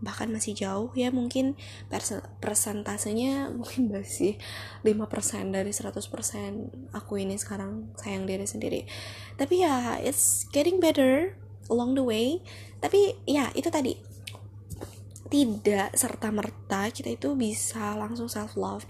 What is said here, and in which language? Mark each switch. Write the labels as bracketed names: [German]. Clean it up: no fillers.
[Indonesian] Bahkan masih jauh ya, mungkin persentasenya mungkin masih 5% dari 100% aku ini sekarang sayang diri sendiri. Tapi ya, [English] it's getting better along the way. [Indonesian] Tapi ya, itu tadi, tidak serta-merta kita itu bisa langsung self-love.